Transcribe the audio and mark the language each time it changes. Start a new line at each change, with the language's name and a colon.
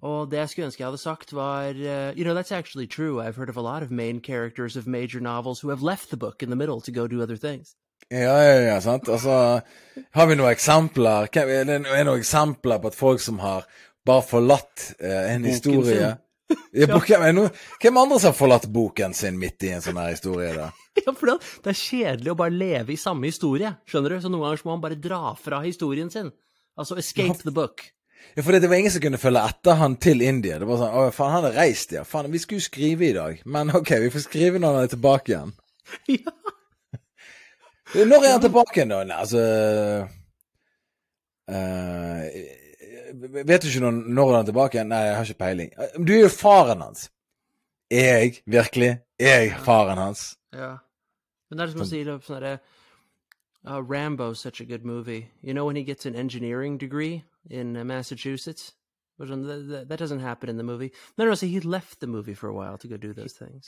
Norwegian: Og det jeg skulle ønske jeg hadde sagt var,
English: you know, that's actually true, I've heard of a lot of main characters of major novels who have left the book in the middle to go do other things.
Norwegian: Ja, sant? Altså, har vi noen eksempler? Er det noen eksempler på at folk som har bare forlatt en historie? Ja, boken, men hvem andre som har forlatt boken sin midt i en sånn her historie da? Ja, for det er kjedelig å bare leve i samme historie, skjønner du? Så noen ganger må man bare dra fra historien sin. Altså,
English: escape the book.
Norwegian: Ja, for det var ingen som kunne følge etter han til India. Det var sånn, åh, faen, han er reist, ja. Faen, vi skulle jo skrive i dag. Men ok, vi får skrive når han er tilbake igjen. Ja. Når er han tilbake nå? Nei, altså, vet du ikke når er han tilbake? Nei, jeg har ikke peiling. Du er jo faren hans. Er jeg, virkelig? Er jeg faren hans? Ja. Men det som å si det på sånn at Rambo's
English: such a good movie. You know when he gets an engineering degree in Massachusetts? That doesn't happen in the movie. No, so he left the movie for a while to go do those things.